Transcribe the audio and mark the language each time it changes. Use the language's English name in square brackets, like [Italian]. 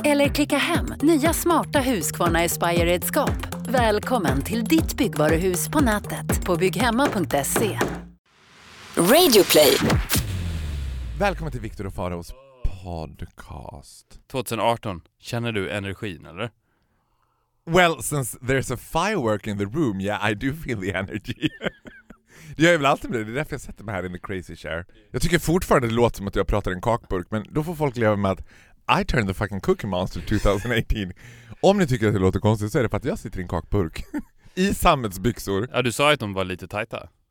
[Swedish] Eller klicka hem nya smarta Husqvarna Aspire-redskap. Välkommen till ditt byggvaruhus på nätet på bygghemma.se. Radio Play. Välkommen till Victor och Faros podcast. 2018, känner du energin eller? [English] Well, since there's a firework in the room, yeah, I do feel the energy. [Swedish] Det gör jag väl alltid med det. Det är därför jag sätter mig här [English] in the crazy chair. [Swedish] Jag tycker fortfarande det låter som att jag pratar i en kakburk, men då får folk leva med att [English] I turned the fucking cookie monster 2018. [Swedish] Om ni tycker att det låter konstigt så är det för att jag sitter i en kakburk. I sammetsbyxor. Ja, du sa ju att de var lite tajta.